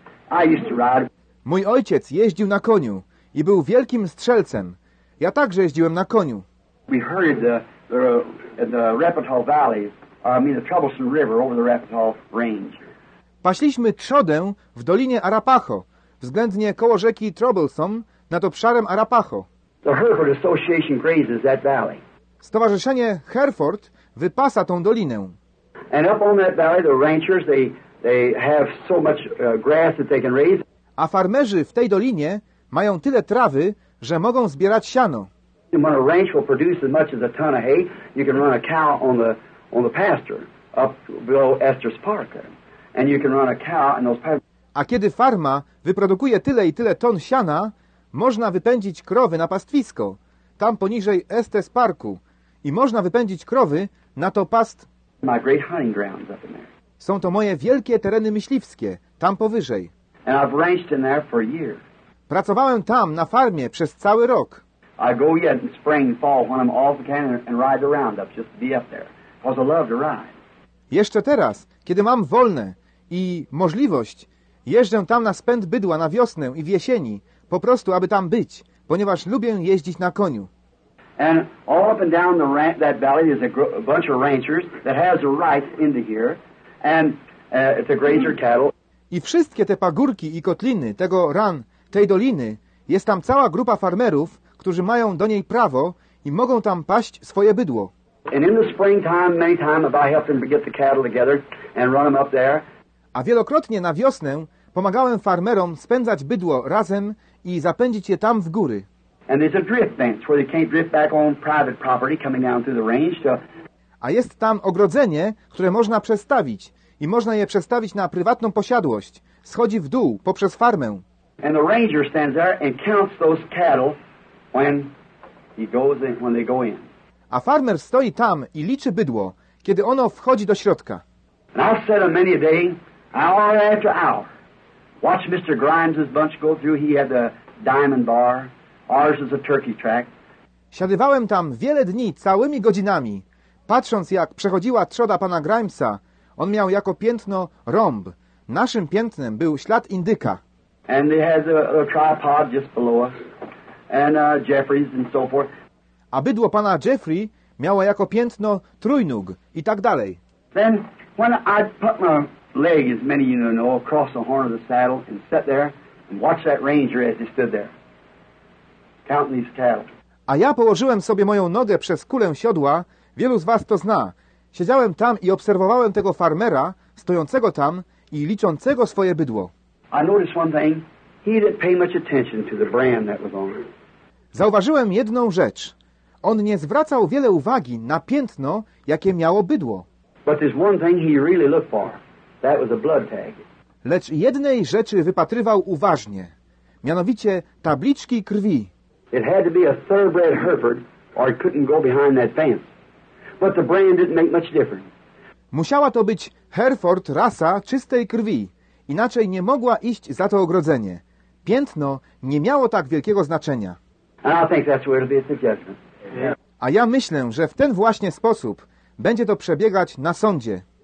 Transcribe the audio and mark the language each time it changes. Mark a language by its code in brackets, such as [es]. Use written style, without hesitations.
[en] I used to ride. [pl] Mój ojciec jeździł na koniu i był wielkim strzelcem. Ja także jeździłem na koniu. [en] We heard the Rapitaw Valley, the Troublesome River over the Rapitaw Range. [pl] Paśliśmy trzodę w dolinie Arapaho, względnie koło rzeki Troublesome, nad obszarem Arapaho. [en] The Herford Association grazes that valley. [pl] Stowarzyszenie Hereford wypasa tą dolinę. [en] And up on that valley, the ranchers, they have so much grass that they can raise. [pl] A farmerzy w tej dolinie mają tyle trawy, że mogą zbierać siano. [en] When a ranch will produce as much as a ton of hay, you can run a cow on the pasture up below Esther's Park there. And you can run a cow in those pastures. [pl] A kiedy farma wyprodukuje tyle i tyle ton siana, można wypędzić krowy na pastwisko, tam poniżej Estes Parku, i można wypędzić krowy na to past. [en] My great hunting grounds up in there. [pl] Są to moje wielkie tereny myśliwskie, tam powyżej. [en] And I've ranched in there for a year. [pl] Pracowałem tam na farmie przez cały rok. [en] I go yet in spring and fall when I'm off the cannon and ride around up just to be up there, cause I love to ride. [pl] Jeszcze teraz, kiedy mam wolne i możliwość, jeżdżę tam na spęd bydła na wiosnę i w jesieni, po prostu aby tam być, ponieważ lubię jeździć na koniu. [en] And all up and down that valley is a bunch of ranchers that has a right into here, and it's a grazer cattle. [pl] I wszystkie te pagórki i kotliny tego ran, tej doliny, jest tam cała grupa farmerów, którzy mają do niej prawo i mogą tam paść swoje bydło. [en] And in the springtime, many times have I helped them get the cattle together and run them up there. [pl] A wielokrotnie na wiosnę pomagałem farmerom spędzać bydło razem i zapędzić je tam w góry. [en] And there's a drift fence where they can't drift back on private property coming down through the range. [pl] A jest tam ogrodzenie, które można przestawić i można je przestawić na prywatną posiadłość. Schodzi w dół poprzez farmę. [en] And the ranger stands there and counts those cattle when they go in. [pl] A farmer stoi tam i liczy bydło, kiedy ono wchodzi do środka. [en] And I've said it many a day, hour after hour. Watch Mr. Grimes's bunch go through. He had the diamond bar. Ours is a turkey track. [pl] Siadywałem tam wiele dni, całymi godzinami, patrząc jak przechodziła trzoda pana Grimesa. On miał jako piętno rąb. Naszym piętnem był ślad indyka. [en] And he has a tripod just below us. And Jeffrey's and so forth. [pl] A bydło pana Jeffrey miało jako piętno trójnóg i tak dalej. [en] Then when I put my leg, as many of you know, across the horn of the saddle and sat there and watched that ranger as he stood there counting these cattle. [pl] A ja położyłem sobie moją nogę przez kulę siodła. Wielu z was to zna. Siedziałem tam i obserwowałem tego farmera stojącego tam i liczącego swoje bydło. [en] I noticed one thing. He didn't pay much attention to the brand that was on. [pl] Zauważyłem jedną rzecz. On nie zwracał wiele uwagi na piętno, jakie miało bydło. [en] But there's one thing he really looked for. That was a blood tag. [pl] Lecz jednej rzeczy wypatrywał uważnie, mianowicie tabliczki krwi. [en] It had to be a thoroughbred Hereford, or it couldn't go behind that fence. But the brand didn't make much difference. [pl] Musiała to być Hereford rasa czystej krwi, inaczej nie mogła iść za to ogrodzenie. Piętno nie miało tak wielkiego znaczenia. [en] And I think that's where it'll be at the judgment. Yeah. [pl] A ja myślę, że w ten właśnie sposób będzie to przebiegać na sądzie.